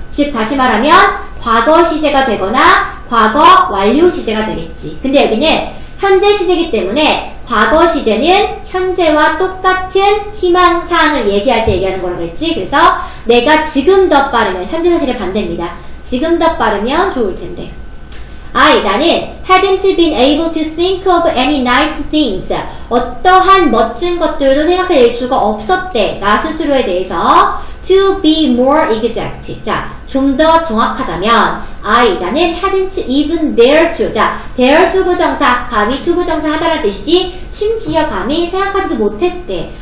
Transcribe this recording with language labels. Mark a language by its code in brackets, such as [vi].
[ko] 즉, 다시 말하면, 과거 시제가 되거나, 과거 완료 시제가 되겠지. 근데 여기는 현재 시제이기 때문에, 과거 시제는 현재와 똑같은 희망사항을 얘기할 때 얘기하는 거라고 했지. 그래서 내가 지금 더 빠르면, 현재 사실에 반대입니다. 지금 더 빠르면 좋을 텐데. [en] I, [ko] 나는 [en] hadn't been able to think of any nice things. [ko] 어떠한 멋진 것들도 생각해낼 수가 없었대. 나 스스로에 대해서. [en] To be more exact. [ko] 자, 좀 더 정확하자면 I, 나는 [en] hadn't even dare to. [ko] 자, dare to 부정사, 감히 to 부정사 하다라는 뜻이 심지어 감히 생각하지도 못했대.